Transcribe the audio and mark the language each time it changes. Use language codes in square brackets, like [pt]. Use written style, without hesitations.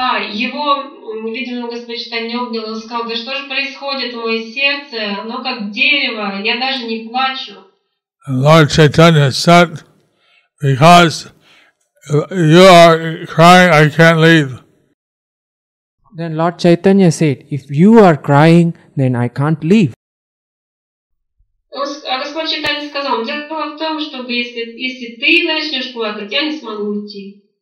[ru] Его, видимо, Господь Чайтанья обнял, он сказал, да что же происходит в моем сердце? Оно как дерево, я даже не плачу. [en] And Lord Chaitanya said, because you are crying, I can't leave. Then Lord Chaitanya said, if you are crying, then I can't leave. [ru] А Господь Чайтанья сказал, дело в том, что если ты начнешь плакать, я не смогу уйти.